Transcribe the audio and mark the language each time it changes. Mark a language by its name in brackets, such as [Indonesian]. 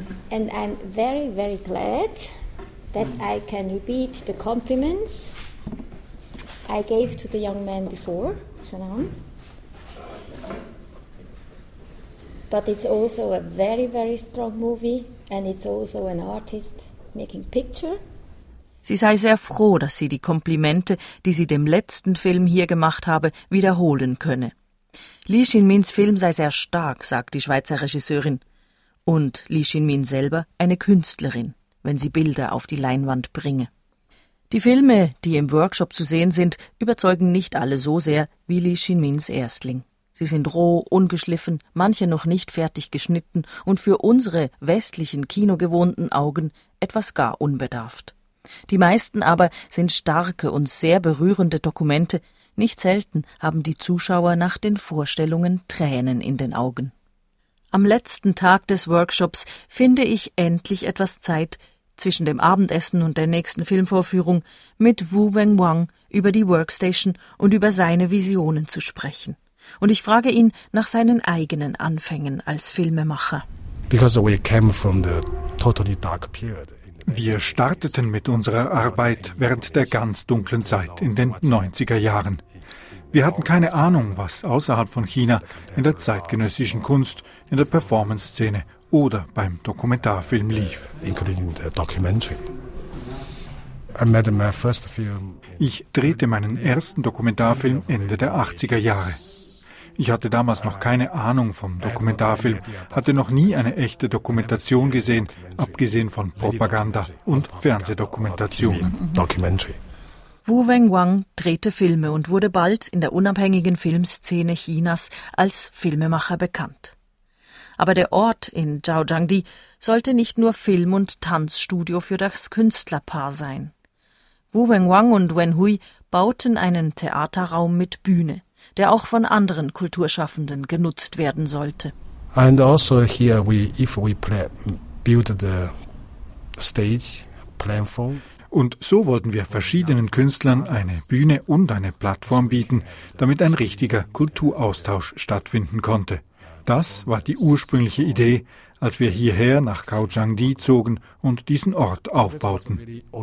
[English] And I'm very, very glad that I can repeat the compliments I gave to the young man before, Shannon. But it's also a very, very strong movie and it's also an artist making picture. [German] Sie sei sehr froh, dass sie die Komplimente, die sie dem letzten Film hier gemacht habe, wiederholen könne. Li Shimins Film sei sehr stark, sagt die Schweizer Regisseurin. Und Li Shimin selber eine Künstlerin, wenn sie Bilder auf die Leinwand bringe. Die Filme, die im Workshop zu sehen sind, überzeugen nicht alle so sehr wie Li Shimins Erstling. Sie sind roh, ungeschliffen, manche noch nicht fertig geschnitten und für unsere westlichen kinogewohnten Augen etwas gar unbedarft. Die meisten aber sind starke und sehr berührende Dokumente. Nicht selten haben die Zuschauer nach den Vorstellungen Tränen in den Augen. Am letzten Tag des Workshops finde ich endlich etwas Zeit, zwischen dem Abendessen und der nächsten Filmvorführung mit Wu Wenguang über die Workstation und über seine Visionen zu sprechen. Und ich frage ihn nach seinen eigenen Anfängen als Filmemacher. [English] Because we came from the totally dark period. [German] Wir starteten mit unserer Arbeit während der ganz dunklen Zeit in den 90er Jahren. Wir hatten keine Ahnung, was außerhalb von China in der zeitgenössischen Kunst, in der Performance-Szene oder beim Dokumentarfilm lief. [English] Including the documentary. I made my first film. [German] Ich drehte meinen ersten Dokumentarfilm Ende der 80er Jahre. Ich hatte damals noch keine Ahnung vom Dokumentarfilm, hatte noch nie eine echte Dokumentation gesehen, abgesehen von Propaganda und Fernsehdokumentationen. Wu Wenguang drehte Filme und wurde bald in der unabhängigen Filmszene Chinas als Filmemacher bekannt. Aber der Ort in Zhaozhangdi sollte nicht nur Film- und Tanzstudio für das Künstlerpaar sein. Wu Wenguang und Wen Hui bauten einen Theaterraum mit Bühne, der auch von anderen Kulturschaffenden genutzt werden sollte. [English] And also here we, if we play, build the stage platform. [German] Und so wollten wir verschiedenen Künstlern eine Bühne und eine Plattform bieten, damit ein richtiger Kulturaustausch stattfinden konnte. Das war die ursprüngliche Idee, als wir hierher nach Kaohsiung-di zogen und diesen Ort aufbauten.